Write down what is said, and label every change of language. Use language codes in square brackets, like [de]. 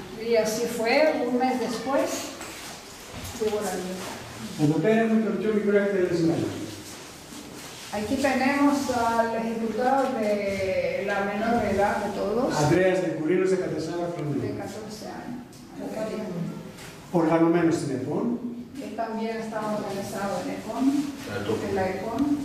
[es] Y así fue, un mes después. Llegó la libertad. [el] Εδώ πέρα έχουμε τον πιο μικρό εκτελεσμένο. [es] Aquí tenemos al ejecutado de la menor edad de todos. Andreas de Curinos, de 14 años. De 14 años. [el] Οργανωμένο στην ΕΠΟΝ. Και [es] también está organizado en ΕΠΟΝ. En la ΕΠΟΝ.